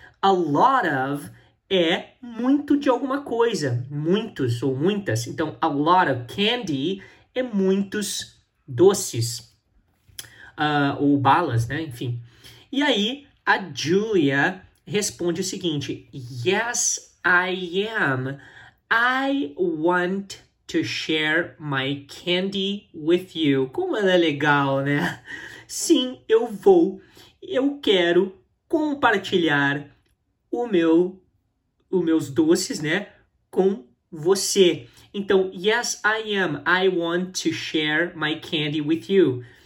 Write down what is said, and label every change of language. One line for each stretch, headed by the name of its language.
Portuguese: A lot of é muito de alguma coisa. Muitos ou muitas. Então,
English: a lot of candy
Portuguese: é muitos doces. Ou balas, né? Enfim. E aí, a Julia responde o seguinte:
English: Yes, I am. I want to share my candy with you.
Portuguese: Como ela é legal, né? Sim, eu vou. Eu quero compartilhar os meus doces, né, com você. Então,
English: yes, I am. I want to share my candy with you.